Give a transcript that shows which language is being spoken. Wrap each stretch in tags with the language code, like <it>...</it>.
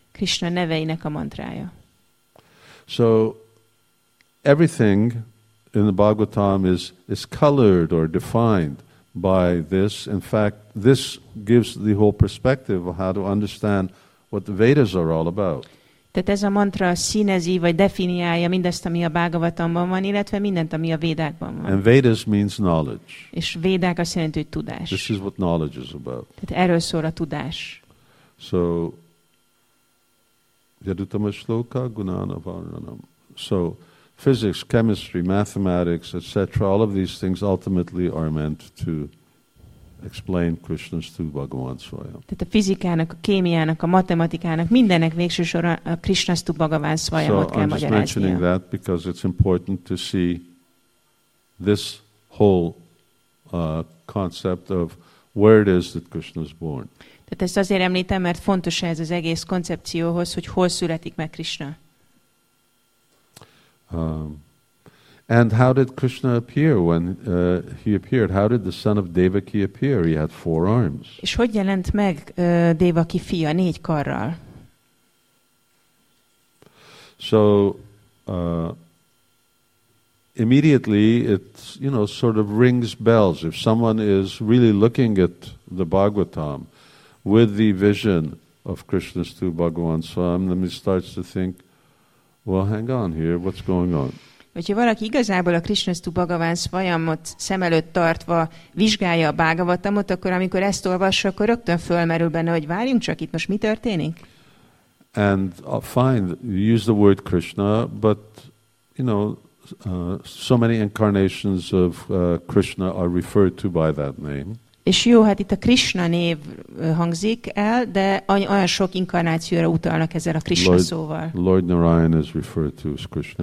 <hu>Krishna neveinek a mantrája.</hu> <en>So everything in the Bhagavatam is colored or defined by this. In fact, this gives the whole perspective of how to understand what the Vedas are all about.</en> <hu>Tehát ez a mantra színezi vagy definiálja mindezt, ami a Bhagavatamban van, illetve mindent, ami a Védákban van.</hu> <en>And Vedas means knowledge.</en> <hu>És Védák azt jelenti, hogy tudás.</hu> <en>This is what knowledge is about.</en> <hu>Tehát erről szól a tudás.</hu> <sa>So yadutama shloka gunana varnanam.</sa> <en>So physics, chemistry, mathematics, etc., all of these things ultimately are meant to explain Krishna's two Bhagavan Swayam.</en> <hu>Tehát a fizikának, a kémiának, a matematikának, mindennek végső soron a Krishna's two Bhagavan Swayamot kell magyaráznia.</hu> <en>So I'm just mentioning that because it's important to see this whole concept of where it is that Krishna is born.</en> <hu>Tehát ezt azért említem, mert fontos ez az egész koncepcióhoz, hogy hol születik meg Krishna.</hu> <en>And how did Krishna appear when he appeared? How did the son of Devaki appear? He had four arms.</en> <hu>És hogy jelent meg Devaki fia négy karral?</hu> <en>So immediately it's, you know, sort of rings bells. If someone is really looking at the Bhagavatam with the vision of Krishna's two Bhagavan Swayam, then he starts to think, well, hang on here, what's going on?</en> <hu>Hogyha valaki igazából a Krisnasztu Bhagaván szvajamot szem előtt tartva vizsgálja a Bhágavatamot, akkor amikor ezt olvassa, akkor rögtön fölmerül benne, hogy várjunk csak, itt most mi történik?</hu> <en>And fine, use the word Krishna, but you know, so many incarnations of Krishna are referred to by that name.</en> <hu>És jó, hát itt a Krishna név hangzik el, de olyan sok inkarnációra utalnak ezzel a Krishna szóval.</hu> <en>Lord Narayan is referred to as Krishna.</en>